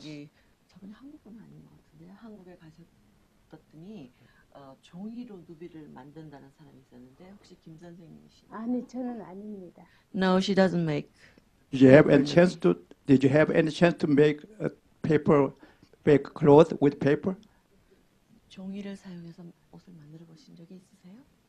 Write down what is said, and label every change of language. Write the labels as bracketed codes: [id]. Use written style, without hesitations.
[ko] 저기, 한국은 아닌 것 같은데, 한국에 가셨더니 종이로 누비를 만든다는 사람이 있었는데, 혹시 김 선생님이신가요? 아니, 저는 아닙니다. [en] No, she doesn't make. Did you have any chance to make a paper, make cloth with paper? [ko] 종이를 사용해서 옷을 만들어 보신 적이 있으세요?